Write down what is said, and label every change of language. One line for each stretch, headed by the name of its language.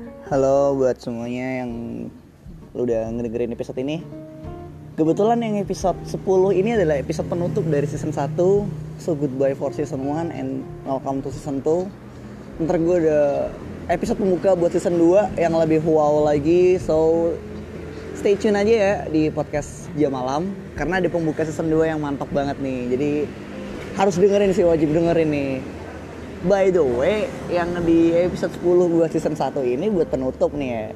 Indonesian: Halo buat semuanya yang udah ngedengerin episode ini. Kebetulan yang episode 10 ini adalah episode penutup dari season 1.
English: So goodbye for season 1 and welcome to season 2.
Indonesian: Ntar gue ada episode pembuka buat season 2 yang lebih wow lagi.
English: So stay tune
Indonesian: aja ya di podcast Jam Malam, karena ada pembuka season 2 yang mantap banget nih. Jadi harus dengerin sih, wajib dengerin nih.
English: By the way,
Indonesian: yang di episode 10 buat season 1 ini buat penutup nih ya.